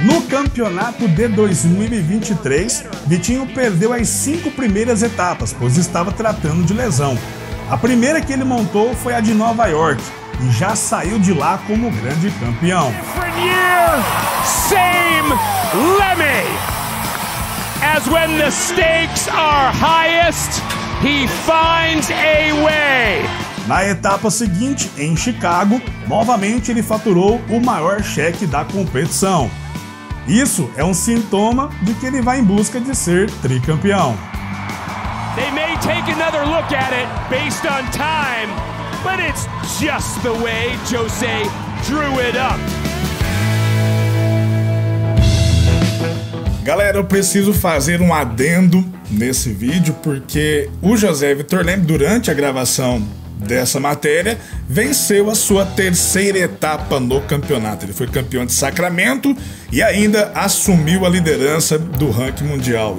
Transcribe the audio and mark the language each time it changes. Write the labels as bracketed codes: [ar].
[pt] Campeonato de 2023, Vitinho perdeu as 5 primeiras etapas, pois estava tratando de lesão. A primeira que ele montou foi a de Nova York e já saiu de lá como grande campeão. [en] Same Lemmy. As when the stakes are highest, he finds a way. [pt] Na etapa seguinte, em Chicago, novamente ele faturou o maior cheque da competição. Isso é um sintoma de que ele vai em busca de ser tricampeão. [en] They may take another look at it based on time, but it's just the way Jose drew it up. [pt] Galera, eu preciso fazer um adendo nesse vídeo porque o José Vitor Leme, durante a gravação dessa matéria, venceu a sua 3ª etapa no campeonato. Ele foi campeão de Sacramento e ainda assumiu a liderança do ranking mundial.